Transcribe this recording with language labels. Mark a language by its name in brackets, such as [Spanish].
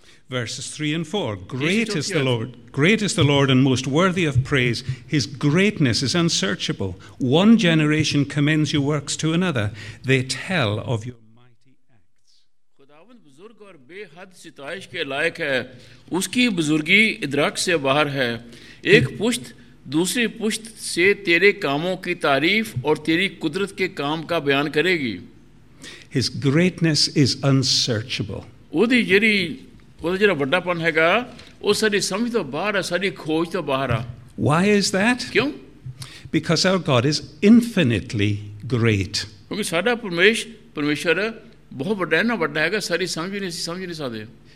[English] Verses 3 and 4, Great is the Lord, great is the Lord and most worthy of praise. His greatness is unsearchable. One generation commends your works to another. They tell of your mighty acts. [Urdu] خداوند بزرگ اور بے حد ستائش کے لائق ہے اس کی بزرگی ادراک سے باہر ہے ایک پشت دوسری پشت سے تیرے کاموں کی تعریف اور تیری قدرت کے کام کا بیان کرے گی [English] His greatness is unsearchable. [Punjabi] اودی جری ਉਹਦਾ ਜਿਹੜਾ ਵੱਡਾਪਣ ਹੈਗਾ ਉਹ ਸਾਡੀ ਸਮਝ ਤੋਂ ਬਾਹਰ ਆ ਸਾਡੀ ਖੋਜ ਤੋਂ ਬਾਹਰ ਆ [English] why is that [Punjabi] ਕਿਉਂ [English] because our God is infinitely great [Punjabi] ਕਿਉਂਕਿ ਸਾਡਾ ਪਰਮੇਸ਼ਰ ਬਹੁਤ ਵੱਡਾ ਇੰਨਾ ਵੱਡਾ ਹੈਗਾ ਸਾਰੀ ਸਮਝ ਨਹੀਂ ਅਸੀਂ ਸਮਝ ਨਹੀਂ ਸਕਦੇ